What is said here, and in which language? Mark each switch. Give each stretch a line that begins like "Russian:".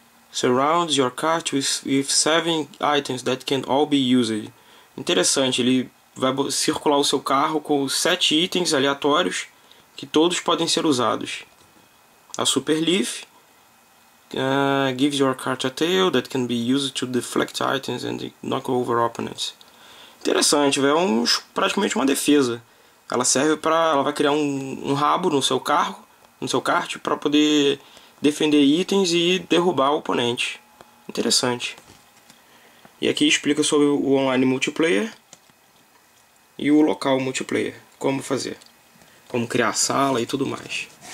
English: Surround your kart with 7 items that can all be used.
Portuguese: Interessante, ele vai circular o seu carro com 7 itens aleatórios que todos podem ser usados.
English: A Super Leaf, gives your kart a tail that can be used to deflect items and knock over opponents.
Portuguese: Interessante, véio, é praticamente uma defesa. Ela serve para, ela vai criar um rabo no seu carro, no seu kart, para poder defender itens e derrubar o oponente. Interessante. E aqui explica sobre o online multiplayer e o local multiplayer, como fazer, como criar a sala e tudo mais.